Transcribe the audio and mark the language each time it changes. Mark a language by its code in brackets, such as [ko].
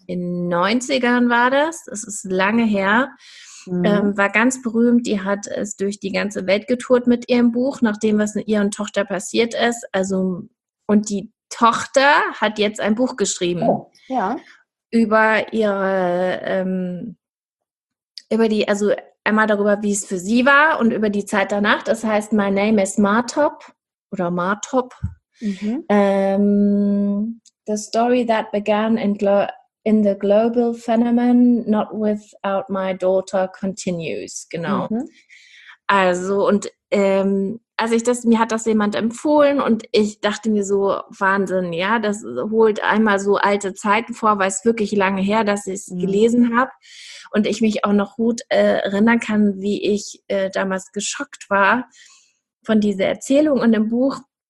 [de] In den 90ern war das, es ist lange her, war ganz berühmt, die hat es durch die ganze Welt getourt mit ihrem Buch, nachdem was mit ihrer Tochter passiert ist, also, und die Tochter hat jetzt ein Buch geschrieben. Oh, ja. Über ihre, also einmal darüber, wie es für sie war und über die Zeit danach. Das heißt, My Name is Martop oder Martop. Mhm. [en] The story that began in the global phenomenon, not without my daughter, continues. [de] Genau. Mhm. Also, und mir hat das jemand empfohlen und ich dachte mir so, Wahnsinn, ja, das holt einmal so alte Zeiten vor, weil es wirklich lange her, dass ich es gelesen habe. Und ich mich auch noch gut erinnern kann, wie ich damals geschockt war von dieser Erzählung. Und im Buch